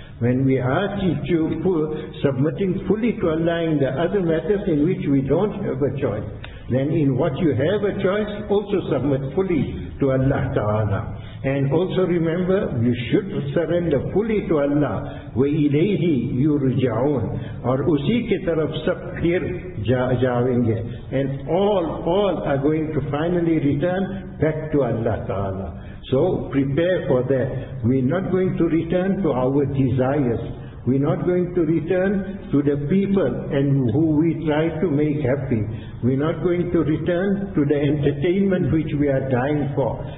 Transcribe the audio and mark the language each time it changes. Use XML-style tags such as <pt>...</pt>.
<en>When we ask you for submitting fully to Allah in the other matters in which we don't have a choice, then in what you have a choice, also submit fully to Allah Ta'ala. And also remember, you should surrender fully to Allah.</en> <ar>وَإِلَيْهِ يُرْجَعُونَ.</ar> <ur>اور اسی کے طرف سب پھر جاویں گے.</ur> <en>And all are going to finally return back to Allah Ta'ala. So prepare for that. We're not going to return to our desires. We're not going to return to the people and who we try to make happy. We're not going to return to the entertainment which we are dying for.</en>